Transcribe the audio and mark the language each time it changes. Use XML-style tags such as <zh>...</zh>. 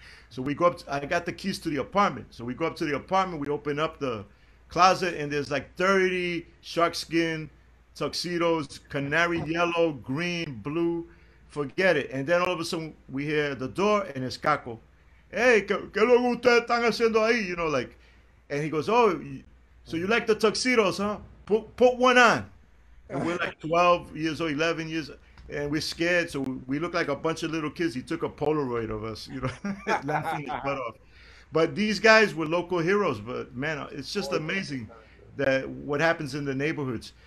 <en>So we go up, I got the keys to the apartment. So we go up to the apartment, we open up the closet, and there's like 30 shark skin tuxedos, canary yellow, green, blue, forget it. And then all of a sudden we hear the door and it's Caco.</en> <es>Hey, ¿qué lo que ustedes están haciendo ahí?</es> <en>You know, like, and he goes, oh, so you like the tuxedos, huh? Put one on. And we're like 12 years old, 11 years, and we're scared. So we look like a bunch of little kids. He took a Polaroid of us, you know, laughing his butt off. But these guys were local heroes. But, man, it's just amazing that what happens in the neighborhoods.</en>